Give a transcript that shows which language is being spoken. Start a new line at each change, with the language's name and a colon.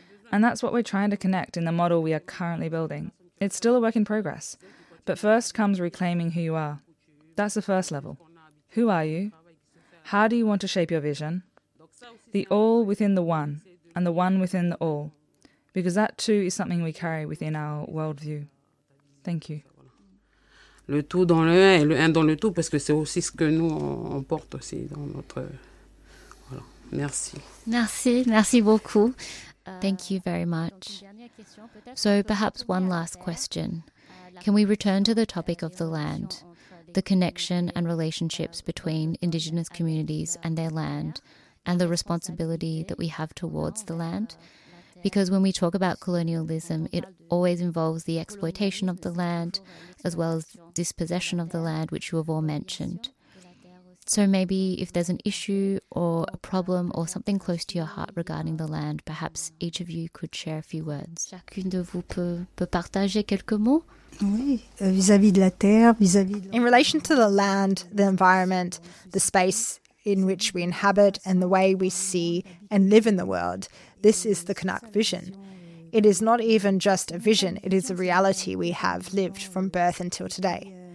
English: And that's what we're trying to connect in the model we are currently building. It's still a work in progress, but first comes reclaiming who you are. That's the first level. Who are you? How do you want to shape your vision? The all within the one, and the one within the all, because that too is something we carry within our worldview. Thank you.
French: Le tout dans le un et le un dans le tout, parce que c'est aussi ce que nous on porte aussi dans notre. Voilà. Merci. Merci, merci beaucoup.
English: Thank you very much. So perhaps one last question. Can we return to the topic of the land, the connection and relationships between Indigenous communities and their land, and the responsibility that we have towards the land? Because when we talk about colonialism, it always involves the exploitation of the land as well as dispossession of the land, which you have all mentioned. So maybe if there's an issue or a problem or something close to your heart regarding the land, perhaps each of you could share a few words.
French: Chacune de vous peut partager quelques mots. Oui, vis-à-vis de la terre, vis-à-vis de...
English: In relation to the land, the environment, the space in which we inhabit and the way we see and live in the world, this is the Kanak vision. It is not even just a vision, it is a reality we have lived from birth until today.